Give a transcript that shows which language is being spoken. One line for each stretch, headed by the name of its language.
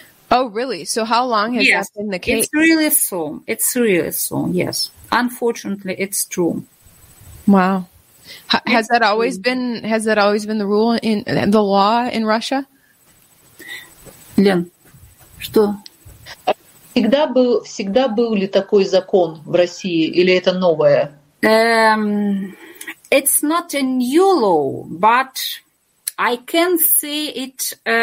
English: Oh, really? So how long has that been the case? It's really so, yes. Unfortunately, it's true. Wow. Has that always been the rule in the law in Russia?
Russian: Лен, что? Всегда был ли такой закон в России, или это новое?
English: It's not a new law, but I can say it